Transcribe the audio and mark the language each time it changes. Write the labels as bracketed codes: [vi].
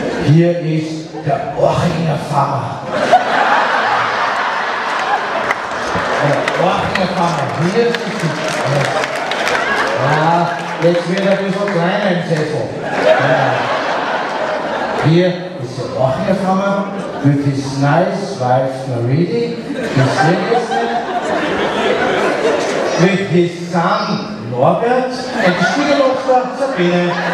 [en] Here is the Orchinger Farmer. The Orchinger Farmer, here's the picture. Yes. [de] Ah, jetzt wird er so klein, mein Zettel. [en] Here is the Orchinger Farmer. With his nice wife Marie, his sister, with his son Norbert, and the Schwiegermutter Sabine.